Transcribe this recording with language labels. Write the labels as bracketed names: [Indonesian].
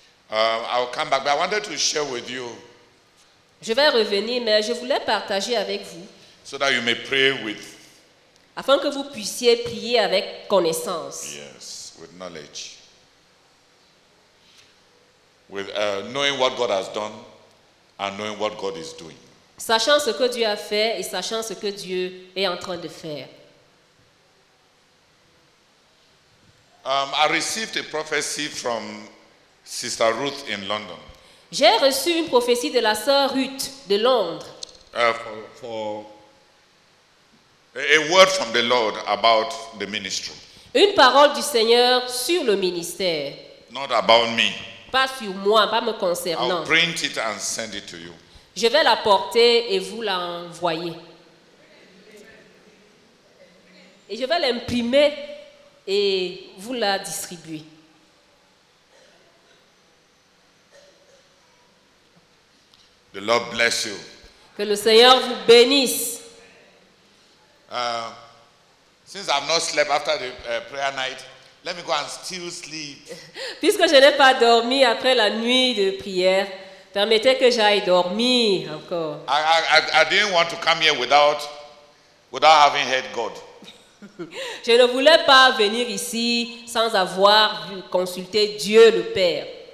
[English] I'll come back, but I wanted to share with you. [French] Je vais revenir, mais je voulais partager avec vous. [English] So that you may pray with. [French] Afin que vous puissiez prier avec connaissance. [English] Yes, with knowledge. With knowing what God has done and knowing what God is doing. [French] Sachant ce que Dieu a fait et sachant ce que Dieu est en train de faire. [English] I received a prophecy from Sister Ruth in London. [French] J'ai reçu une prophétie de la sœur Ruth de Londres. [English] A word from the Lord about the ministry. [French] Une parole du Seigneur sur le ministère. [English] Not about me. [French] Pas sur moi, pas me concernant. [English] I'll print it and send it to you. [French] Je vais la porter et vous l'envoyer. Et je vais l'imprimer et vous la distribuer. [English] The Lord bless you. [French] Que le Seigneur vous bénisse. [English] Since I've not slept after the prayer night, let me go and still sleep. [French] Puisque je n'ai pas dormi après la nuit de prière, permettez que j'aille dormir encore. [English] I didn't want to come here without having heard God. [French] Je ne voulais pas venir ici sans avoir consulté Dieu le Père.